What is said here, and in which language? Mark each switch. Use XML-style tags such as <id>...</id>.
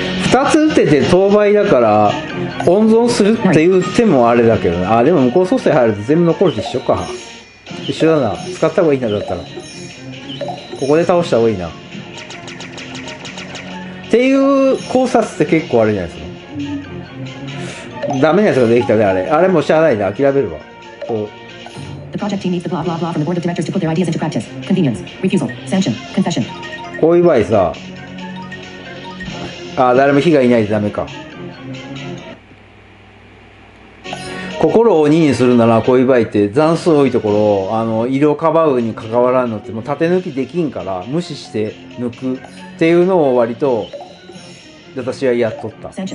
<ja>2つ打てて倒倍だから温存するっていう手もあれだけどね。あ、でも向こう蘇生入ると全部残るで一緒か。一緒だな。使った方がいいな、だったら。ここで倒した方がいいな。っていう考察って結構あれじゃないですか。ダメなやつができたね、あれ。あれもしゃあないな、諦めるわ。こう。</ja> <en>The project team needs the blah blah blah from the board of directors to put their ideas into practice. Convenience, refusal, sanction, confession.</en> <ja>こういう場合さ。ああ、誰も火がいないとダメか。心を鬼にするなら、こういう場合って、残数多いところを、あの、色をかばうに関わらんのって、もう縦抜きできんから、無視して抜くっていうのを割と、私はやっとった。</ja>